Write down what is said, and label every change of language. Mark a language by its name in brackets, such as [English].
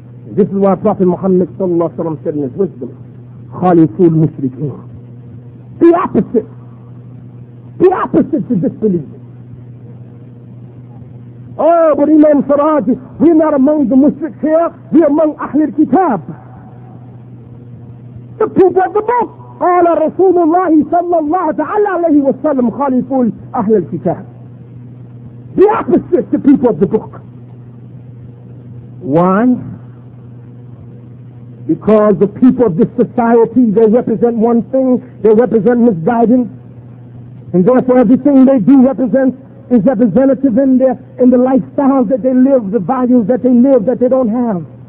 [English] And this is why Prophet Muhammad sallallahu alaihi wasallam said in his wisdom, [Arabic] خالفوا المشركين. [English] The opposite. The opposite to disbelief. Oh, but Imam Siraj, we're not among the mushriks here, we're among Ahlul Kitab. The people of the book. [Arabic] قال رسول الله صلى الله عليه وسلم خالفوا أهل الكتاب. [English] The opposite to people of the book. Why? Because the people of this society, they represent one thing, they represent misguidance, and therefore everything they do represent is representative in the lifestyles that they live, the values that they live that they don't have.